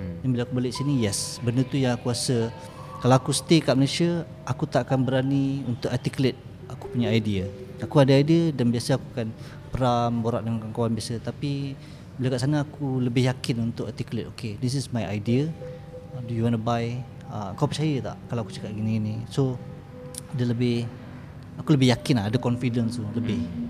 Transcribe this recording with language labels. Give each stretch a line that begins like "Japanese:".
Malay: Dan bila aku balik sini, yes, benda tu yang aku rasa kalau aku stay kat Malaysia, aku tak akan berani untuk articulate aku punya idea. Aku ada idea dan biasa aku akan peram, borak dengan kawan-kawan biasa, tapi bila kat sana aku lebih yakin untuk articulate.
English: Okay, this is my idea, do you want to buy?
Malay: Kau percaya tak kalau aku cakap gini-gini? So dia lebih, aku lebih yakin lah, ada confidence tu lebih.